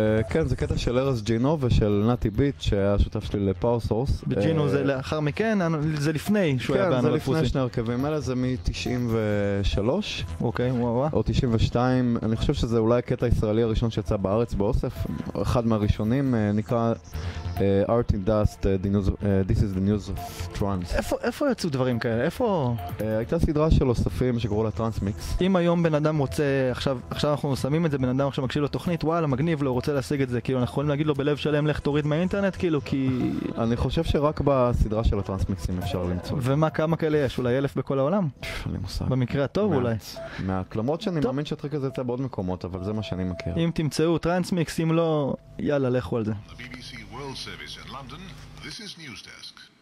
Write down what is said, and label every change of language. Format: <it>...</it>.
<he>כן, זה קטע של ארז ג'ינו ושל נאטי ביט, שהיה השותף שלי לפאור סורס. בג'ינו זה לאחר מכן, זה לפני שהוא היה באנלוג פוסי. כן, זה לפני שני הרכבים האלה, זה מ-93. אוקיי, וואו וואו. או 92, אני חושב שזה אולי הקטע הישראלי הראשון שיצא בארץ באוסף, אחד מהראשונים, נקרא...</he> <en>Art in Dust, This is the News of Trans.</en> <he>איפה יצאו דברים כאלה? איפה? הייתה סדרה של אוספים שקוראו לה טרנס מיקס. אם היום בן אדם רוצה, עכשיו אנחנו שמים את זה, בן אדם עכשיו מקשיב לתוכנית, וואלה, מגניב לו, רוצה להשיג את זה, כאילו אנחנו יכולים להגיד לו בלב שלם, לך תוריד מהאינטרנט, כאילו, כי... אני חושב שרק בסדרה של הטרנס מיקסים אפשר למצוא. ומה, כמה כאלה יש? אולי 1,000 בכל העולם? אני מושג. במקרה הטוב אולי. מעט. למרות שאני מאמין שהטריק הזה יצא בעוד מקומות, אבל זה מה שאני מכיר. אם תמצאו טרנס מיקס, אם לא, יאללה, לכו על זה.</he> <en>World Service in London, this is News Desk.</en>